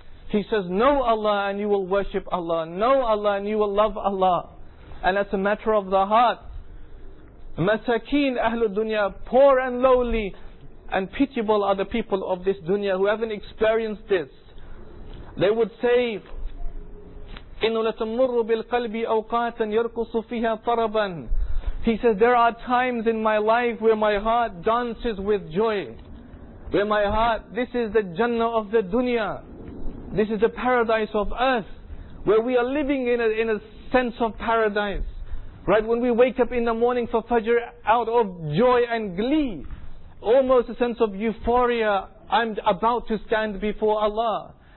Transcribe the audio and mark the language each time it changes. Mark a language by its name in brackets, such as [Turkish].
[English] He says, know Allah and you will worship Allah. Know Allah and you will love Allah. And that's a matter of the heart. [Arabic] Masakeen ahlu dunya, [English] poor and lowly and pitiable are the people of this dunya who haven't experienced this. They would say, [Arabic] إِنُّ لَتَمُرُّ بِالْقَلْبِ أَوْقَاتًا يَرْقُصُ فِيهَا طَرَبًا. [English] He says, there are times in my life where my heart dances with joy. Where my heart, this is the Jannah of the dunya. This is the paradise of earth, where we are living in a sense of paradise. Right, when we wake up in the morning for Fajr out of joy and glee, almost a sense of euphoria, I'm about to stand before Allah.